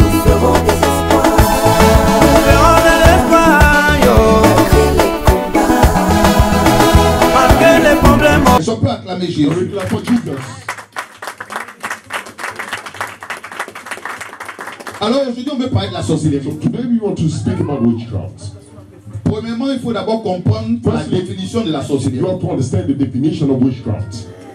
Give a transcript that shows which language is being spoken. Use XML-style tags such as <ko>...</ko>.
<fr>Nous ferons des exploits. Nous ferons des exploits. Yo. Malgré les problèmes. Ils sont prêts à acclamer Jésus. Alors aujourd'hui, on veut parler de la sorcellerie.</fr> <en>Donc, today we want to speak about witchcraft.</en> <fr>Premièrement, il faut d'abord comprendre la définition de la sorcellerie.</fr> <en>You have to understand the definition of witchcraft.</en>